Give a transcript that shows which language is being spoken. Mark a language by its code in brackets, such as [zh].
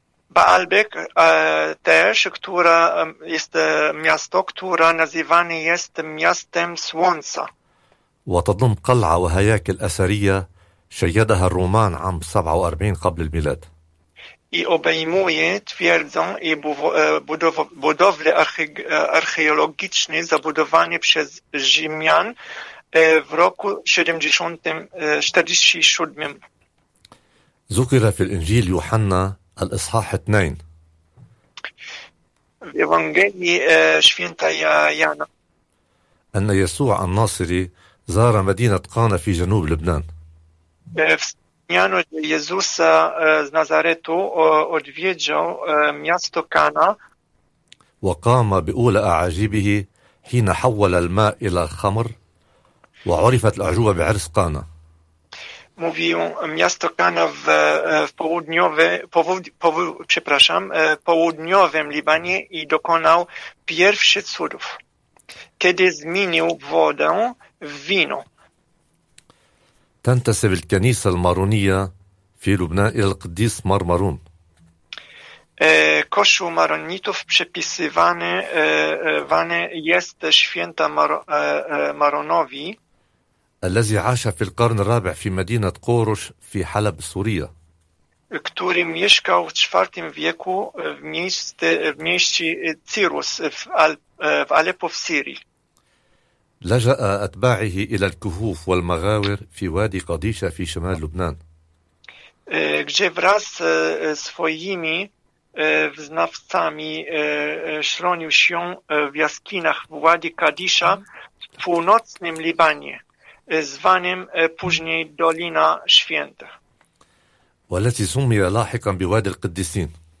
[pl] بعلبك też, która jest miasto, które nazywane jest miastem słońca. [ar] وتضم قلعة وهياكل أثرية شيدها الرومان عام 47 قبل الميلاد. [pl] I obejmuje twierdzą i budowle archeologiczne zabudowane przez Rzymian w roku 47. [ar] ذكر في الإنجيل يوحنا الإصحاح 2. [pl] W Ewangelii Święta Jana. [ar] أن يسوع الناصري زار مدينة قانا في جنوب لبنان. [pl] Wspomniano, że Jezusa z Nazaretu odwiedził miasto Kana. [ar] وقام بأولى أعاجيبه حين حول الماء إلى خمر. وعرفت العجوبة بعرس قانا. [pl] Mówił miasto Kana w południowym Libanie i dokonał pierwszych cudów, kiedy zmienił wodę w wino. [ar] تنتسب الكنيسة المارونية في لبنان إلى القديس مارمارون. [pl] Kościół maronitów przypisywany jest święta Maronowi. [ar] الذي عاش في القرن الرابع في مدينة قورش في حلب سوريا. [pl] Który mieszkał w IV wieku w mieście Cyrus w Aleppo w Syrii. [ar] لجأ أتباعه إلى الكهوف والمغاور في وادي قديشة في شمال لبنان. [pl] gdzie wraz swoimi wyznawcami schronił się w jaskinach w Wadi Kadisza w północnym Libanie, zwanym później Dolina Święta. [ar] والتي سمي لاحقا بوادي القديسين.